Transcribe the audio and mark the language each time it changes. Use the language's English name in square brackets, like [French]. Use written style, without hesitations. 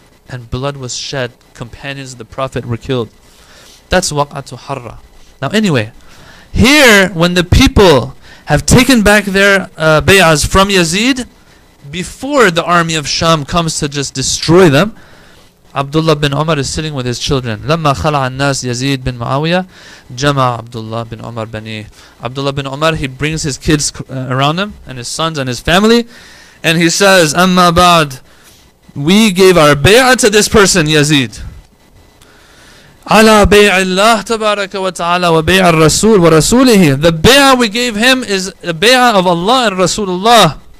[English] And blood was shed. Companions of the Prophet were killed. That's Waq'atu Harra. Now anyway, here when the people have taken back their bay'ahs from Yazid, before the army of Sham comes to just destroy them, Abdullah bin Umar is sitting with his children. [Arabic] لَمَّا خَلَعَ النَّاسِ يَزِيدْ بِنْ مُعَوِيَةَ جَمَعَ Abdullah bin Umar bani. [English] Abdullah bin Umar, he brings his kids around him and his sons and his family, and he says, [Arabic] أَمَّا بَعْد, [English] we gave our bay'ah to this person, Yazid. [Arabic] عَلَى بَيْعِ اللَّهِ تَبَارَكَ وَتَعَالَى وَبَيْعَ الرَّسُولِ وَرَسُولِهِ. [English] The bay'ah we gave him is the bay'ah of Allah and Rasulullah.